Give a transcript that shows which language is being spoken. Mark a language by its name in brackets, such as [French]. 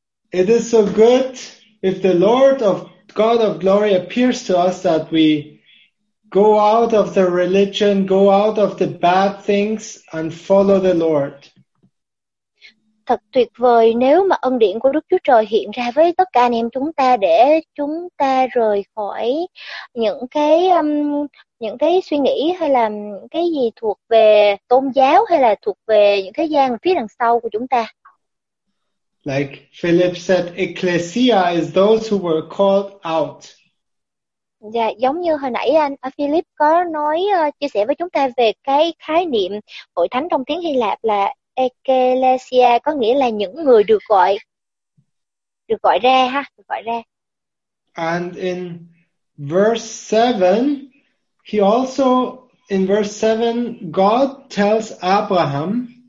[English] It is so good if the Lord of God of glory appears to us that we go out of the religion, go out of the bad things and follow the Lord. [Vietnamese] Thật tuyệt vời nếu mà ân điển của Đức Chúa Trời hiện ra với tất cả anh em chúng ta để chúng ta rời khỏi những cái suy nghĩ hay là cái gì thuộc về tôn giáo hay là thuộc về những cái gian phía đằng sau của chúng ta. [English] Like Philip said, ecclesia is those who were called out. [Vietnamese] Dạ, giống như hồi nãy anh Philip có nói chia sẻ với chúng ta về cái khái niệm hội thánh trong tiếng Hy Lạp là ecclesia, có nghĩa là những người được gọi ra. [English] And in verse 7, he also in verse 7 God tells Abraham.